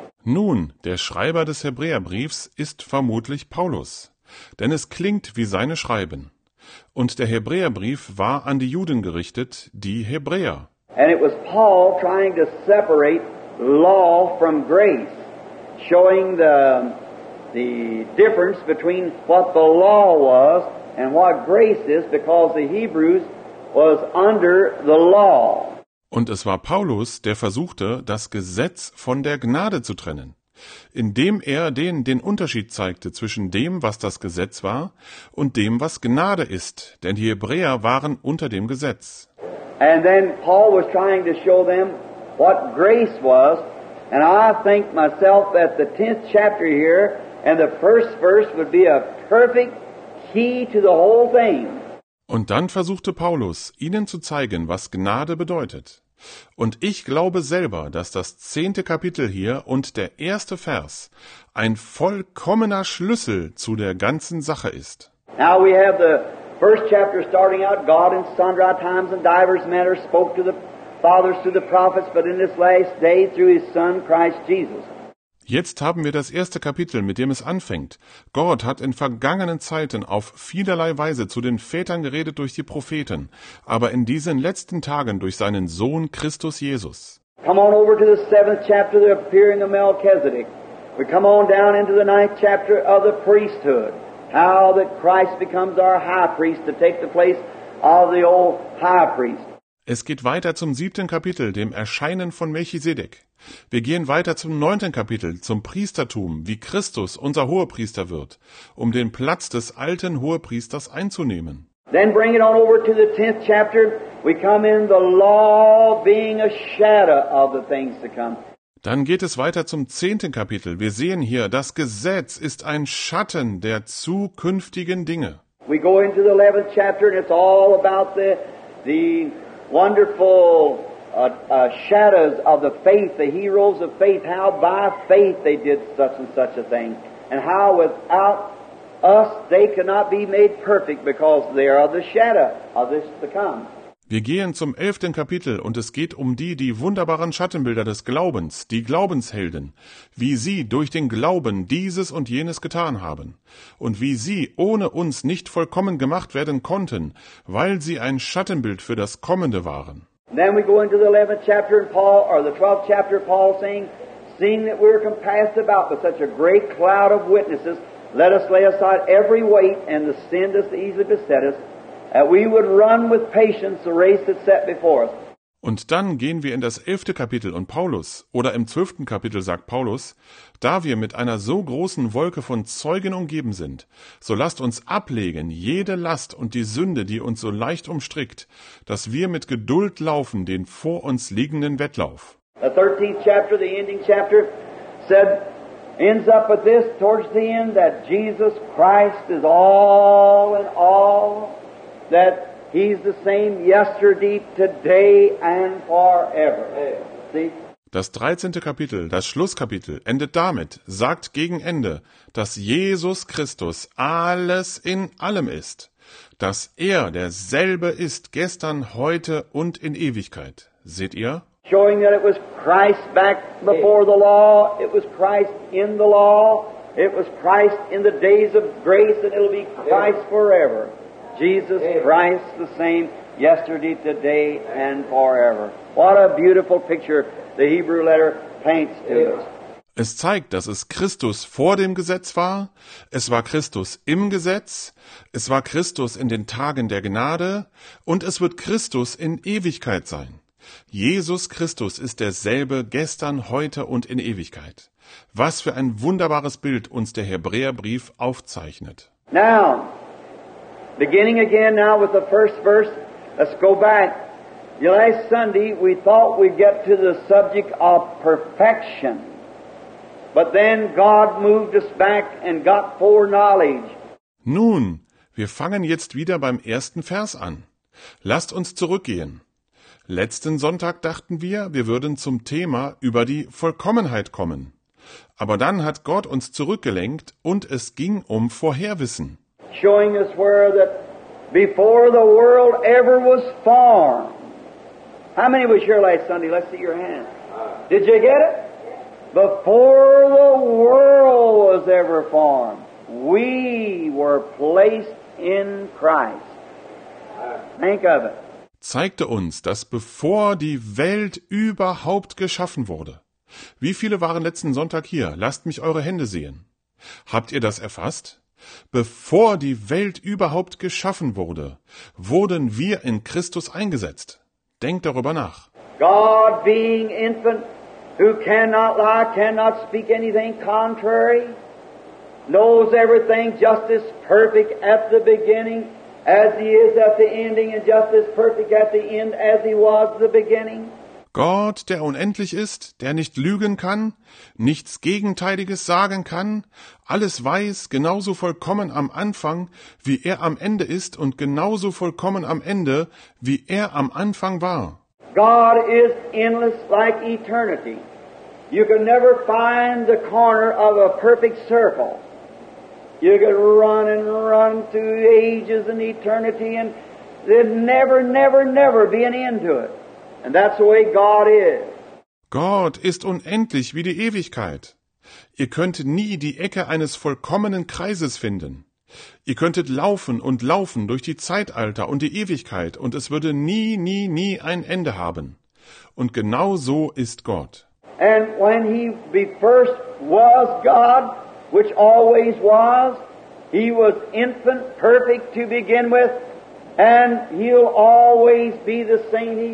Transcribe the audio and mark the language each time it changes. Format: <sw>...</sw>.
<de>Nun, der Schreiber des Hebräerbriefs ist vermutlich Paulus, denn es klingt wie seine Schreiben. Und der Hebräerbrief war an die Juden gerichtet, die Hebräer.</de> <en>And it was Paul trying to separate law from grace, showing the difference between what the law was and what grace is, because the Hebrews was under the law.</en> <de>Und es war Paulus, der versuchte, das Gesetz von der Gnade zu trennen, indem er den Unterschied zeigte zwischen dem, was das Gesetz war, und dem, was Gnade ist. Denn die Hebräer waren unter dem Gesetz.</de> <en>And then Paul was trying to show them what grace was. And I think myself that the 10th chapter here and the first verse would be a perfect key to the whole thing.</en> <de>Und dann versuchte Paulus, ihnen zu zeigen, was Gnade bedeutet. Und ich glaube selber, dass das 10. Kapitel hier und der 1. Vers ein vollkommener Schlüssel zu der ganzen Sache ist.</de> <en>Now we have the first chapter starting out, God in sundry times and divers manners spoke to the fathers through the prophets, but in this last day through his Son Christ Jesus.</en> <de>Jetzt haben wir das 1. Kapitel, mit dem es anfängt. Gott hat in vergangenen Zeiten auf vielerlei Weise zu den Vätern geredet durch die Propheten, aber in diesen letzten Tagen durch seinen Sohn Christus Jesus.</de> <en>Come on over to the 7th chapter, the appearing of Melchizedek. We come on down into the 9th chapter of the priesthood. How that Christ becomes our high priest to take the place of the old high priest.</en> <de>Es geht weiter zum 7. Kapitel, dem Erscheinen von Melchisedek. Wir gehen weiter zum 9. Kapitel, zum Priestertum, wie Christus unser Hohepriester wird, um den Platz des alten Hohepriesters einzunehmen.</de> <en>Then bring it on over to the 10th chapter. We come in the law being a shadow of the things to come.</en> <de>Dann geht es weiter zum 10. Kapitel. Wir sehen hier, das Gesetz ist ein Schatten der zukünftigen Dinge.</de> <en>We go into the 11th chapter and it's all about the wonderful shadows of the faith, the heroes of faith, how by faith they did such and such a thing, and how without us they cannot be made perfect because they are the shadow of this to come.</en> <de>Wir gehen zum 11. Kapitel und es geht um die wunderbaren Schattenbilder des Glaubens, die Glaubenshelden, wie sie durch den Glauben dieses und jenes getan haben und wie sie ohne uns nicht vollkommen gemacht werden konnten, weil sie ein Schattenbild für das Kommende waren.</de> <en>Then we go into the 11th chapter and Paul, or the 12th chapter, Paul saying, seeing that we are compassed about with such a great cloud of witnesses, let us lay aside every weight and the sin that easily beset us, that we would run with patience the race that's set before us.</en> <de>Und dann gehen wir in das 11. Kapitel und Paulus, oder im 12. Kapitel sagt Paulus, da wir mit einer so großen Wolke von Zeugen umgeben sind, so lasst uns ablegen jede Last und die Sünde, die uns so leicht umstrickt, dass wir mit Geduld laufen den vor uns liegenden Wettlauf.</de> <en>The 13th chapter, the ending chapter, said, ends up with this towards the end, that Jesus Christ is all in all, that He's the same yesterday, today and forever. See?</en> <de>Das 13. Kapitel, das Schlusskapitel, endet damit, sagt gegen Ende, dass Jesus Christus alles in allem ist, dass er derselbe ist gestern, heute und in Ewigkeit. Seht ihr?</de> <en>Showing that it was Christ back before the law, it was Christ in the law, it was Christ in the days of grace, and it'll be Christ forever. Jesus Christ the same yesterday, today, and forever. What a beautiful picture the Hebrew letter paints to us.</en> <de>Es zeigt, dass es Christus vor dem Gesetz war, es war Christus im Gesetz, es war Christus in den Tagen der Gnade und es wird Christus in Ewigkeit sein. Jesus Christus ist derselbe gestern, heute und in Ewigkeit. Was für ein wunderbares Bild uns der Hebräerbrief aufzeichnet.</de> <en>Now, beginning again now with the first verse, let's go back. Last Sunday we thought we'd get to the subject of perfection, but then God moved us back and got foreknowledge.</en> <de>Nun, wir fangen jetzt wieder beim ersten Vers an. Lasst uns zurückgehen. Letzten Sonntag dachten wir würden zum Thema über die Vollkommenheit kommen. Aber dann hat Gott uns zurückgelenkt und es ging um Vorherwissen.</de> <en>Showing us where that before the world ever was formed. How many was here last Sunday? Let's see your hand. Did you get it? Before the world was ever formed, we were placed in Christ. Think of it.</en> <de>Zeigte uns, dass bevor die Welt überhaupt geschaffen wurde. Wie viele waren letzten Sonntag hier? Lasst mich eure Hände sehen. Habt ihr das erfasst? Bevor die Welt überhaupt geschaffen wurde, wurden wir in Christus eingesetzt. Denkt darüber nach.</de> <en>God being infant, who cannot lie, cannot speak anything contrary, knows everything just as perfect at the beginning as he is at the ending, and just as perfect at the end as he was the beginning.</en> <de>Gott, der unendlich ist, der nicht lügen kann, nichts Gegenteiliges sagen kann, alles weiß, genauso vollkommen am Anfang, wie er am Ende ist, und genauso vollkommen am Ende, wie er am Anfang war.</de> <en>God is endless like eternity. You can never find the corner of a perfect circle. You can run and run through ages and eternity, and there'd never, never, never be an end to it. And that's the way God is.</en> <de>Gott ist unendlich wie die Ewigkeit. Ihr könnt nie die Ecke eines vollkommenen Kreises finden. Ihr könntet laufen und laufen durch die Zeitalter und die Ewigkeit, und es würde nie, nie, nie ein Ende haben. Und genau so ist Gott.</de> <en>And when he first was God, which always was, he was infant, perfect to begin with, and he'll always be the same.</en>